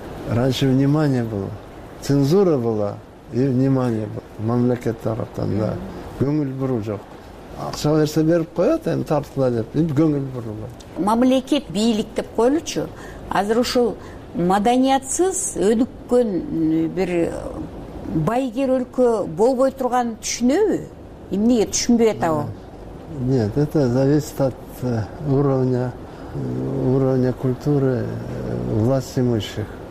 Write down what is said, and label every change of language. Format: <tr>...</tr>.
<ru>Раньше внимание было, цензура была и внимание было.</ru> <ky>Мамлекет тараптан да, көңүл буруу жок. Акча берсе берип коет, эми тартыла деп, эми көңүл буруулайт. Мамлекет бийлик деп коелучу, азыр ушул маданиятсыз өнүккөн бир байгер өлкө болбой турганын түшүнөбү? Эмнеге түшүнбөй атабы?</ky> <ru>Нет, это зависит от уровня культуры власть имущих.</ru>